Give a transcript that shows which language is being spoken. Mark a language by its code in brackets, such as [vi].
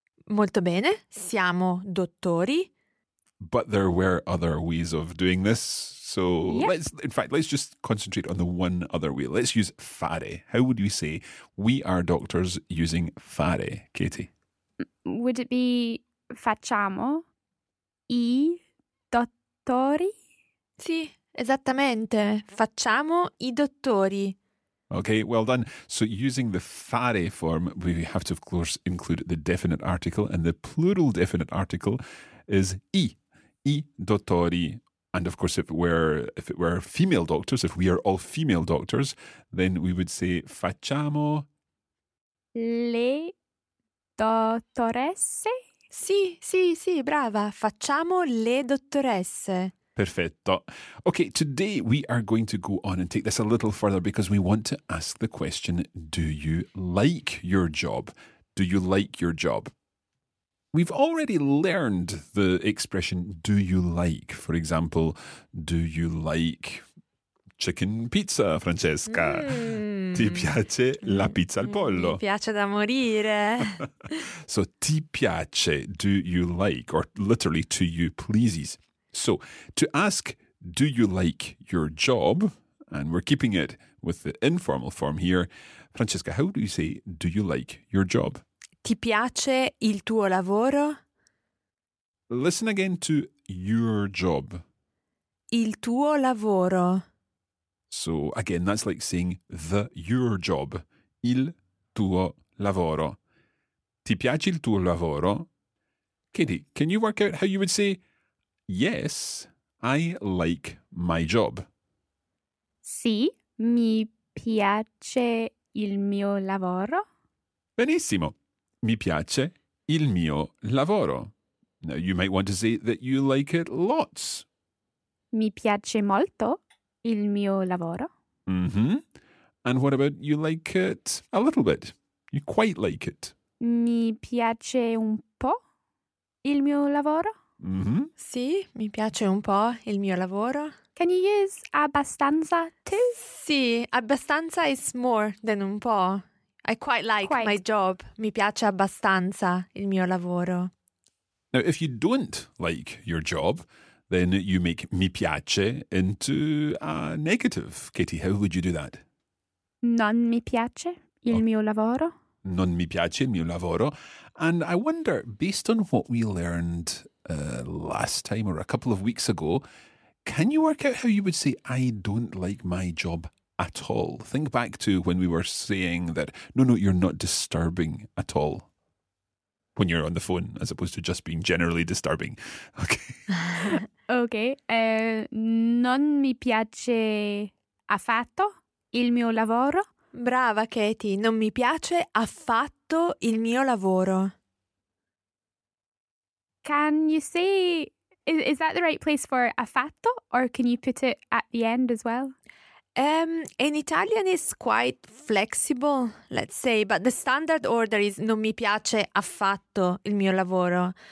[it] Molto bene, siamo dottori. [en] But there were other ways of doing this. So yep. let's just concentrate on the one other way. Let's use fare. How would we say we are doctors using fare, Katie? Would it be [it] facciamo I dottori? Sì, esattamente. Facciamo I dottori. [en] Okay, well done. So using the fare form, we have to, of course, include the definite article, and the plural definite article is I. [it] I dottori. [en] And of course, if it were female doctors, if we are all female doctors, then we would say [it] facciamo le dottoresse. Sì, brava. Facciamo le dottoresse. Perfetto. [en] Okay, today we are going to go on and take this a little further because we want to ask the question, do you like your job? Do you like your job? We've already learned the expression, do you like? For example, do you like chicken pizza, Francesca? [it] Ti piace la pizza al pollo? Mi piace da morire. [en] So, [it] ti piace, [en] do you like, or literally, to you pleases. So, to ask, do you like your job? And we're keeping it with the informal form here. Francesca, how do you say, do you like your job? [it] Ti piace il tuo lavoro? [en] Listen again to your job. [it] Il tuo lavoro. [en] So again, that's like saying the your job. [it] Il tuo lavoro. Ti piace il tuo lavoro? [en] Katie, can you work out how you would say, yes, I like my job? [it] Sì, mi piace il mio lavoro. Benissimo. Mi piace il mio lavoro. [en] Now, you might want to say that you like it lots. [it] Mi piace molto il mio lavoro. Mm-hmm. [en] And what about you like it a little bit? You quite like it. [it] Mi piace un po' il mio lavoro. Mm-hmm. Sì, mi piace un po' il mio lavoro. [en] Can you use abbastanza too? Sì, abbastanza is more than un po'. I quite like quite. My job. [it] Mi piace abbastanza il mio lavoro. [en] Now, if you don't like your job, then you make mi piace into a negative. Katie, how would you do that? [it] Non mi piace il mio lavoro. Non mi piace il mio lavoro. [en] And I wonder, based on what we learned last time or a couple of weeks ago, can you work out how you would say I don't like my job at all? Think back to when we were saying that, no, you're not disturbing at all. When you're on the phone, as opposed to just being generally disturbing. Okay. Okay. [it] Non mi piace affatto il mio lavoro. Brava, Katie. Non mi piace affatto il mio lavoro. [en] Can you say, is that the right place for affatto? Or can you put it at the end as well? In Italian is quite flexible, let's say, but the standard order is [it] non mi piace affatto il mio lavoro.